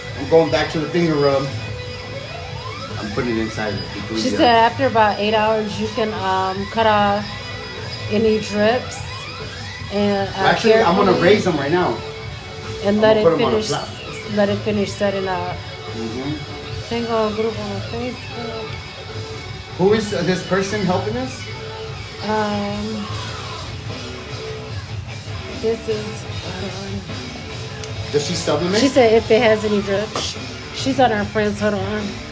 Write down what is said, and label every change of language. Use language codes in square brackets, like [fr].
[en] Going back to the finger rub, I'm putting it inside. She said after about 8 hours, you can cut off any drips. And actually, I'm gonna raise them right now. And let it finish. Let it finish setting up. Mm-hmm. [es] Tengo un grupo en Facebook. [en] Who is this person helping us? This is. Does she sublimate? She said if it has any drips. She's on our friends, hold on.